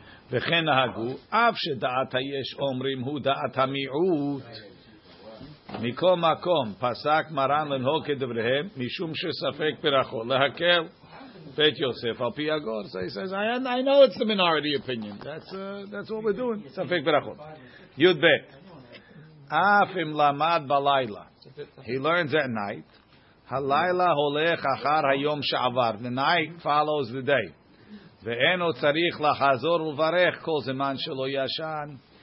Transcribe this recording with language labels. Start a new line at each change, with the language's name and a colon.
Hebrew: וכן נהגו, אף שדעת היש אומרים הוא דעת המיעוט, מכל מקום פסק מרן לנהוג כדבריהם משום שספק ברכו להקל בית יוסף על פי הגור.
English: So he says, I know it's the minority opinion. That's what we're doing.
Hebrew: ספק ברכו. י"ב. אף אם למד בלילה,
English: he learns at night,
Hebrew: הלילה הולך אחר היום שעבר.
English: The night follows the day.
Hebrew: ואין עוד צריך לחזור וברך כל זמן שלא ישן.